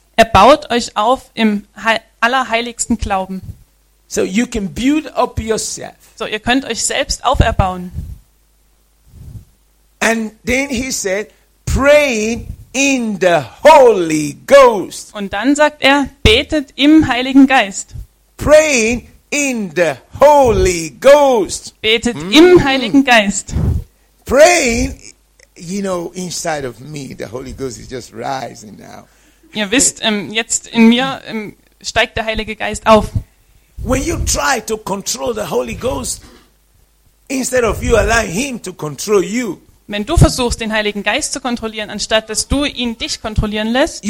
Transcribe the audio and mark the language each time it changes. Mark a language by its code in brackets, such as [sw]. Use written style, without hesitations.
[de] Erbaut euch auf im allerheiligsten Glauben. [en] So you can build up yourself. [de] So ihr könnt euch selbst auferbauen. [en] And then he said, praying in the Holy Ghost. [de] Und dann sagt er, betet im Heiligen Geist. [en] Praying in the Holy Ghost. [de] Betet im Heiligen Geist. [en] Praying, you know, inside of me, the Holy Ghost is just rising now. [de] Ihr wisst, jetzt in mir steigt der Heilige Geist auf. [en] When you try to control the Holy Ghost, instead of you allowing him to control you, [de] wenn du versuchst, den Heiligen Geist zu kontrollieren, anstatt dass du ihn dich kontrollieren lässt,